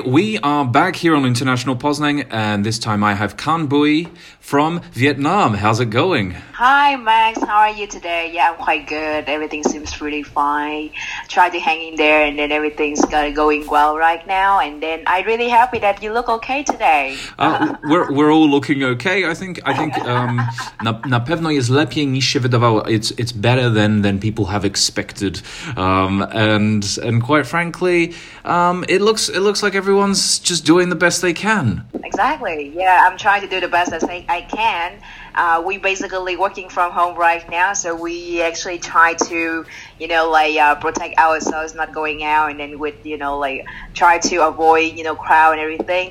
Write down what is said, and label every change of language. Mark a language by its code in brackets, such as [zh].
[en] We are back here on International Poznań, and this time I have Khan Bui from Vietnam. How's it going? Hi, Max. How are you today? Yeah, I'm quite good. Everything seems really fine. Try to hang in there, and then everything's going well right now. And then I'm really happy that you look okay today. we're all looking okay. I think [pl] na pewno jest lepiej niż się wydawało. [en] It's better than people have expected. And quite frankly, it looks like everyone's just doing the best they can. Exactly. Exactly. Yeah, I'm trying to do the best as I can. We basically working from home right now, so we actually try to, you know, like protect ourselves, not going out, and then with, you know, like try to avoid, you know, crowd and everything.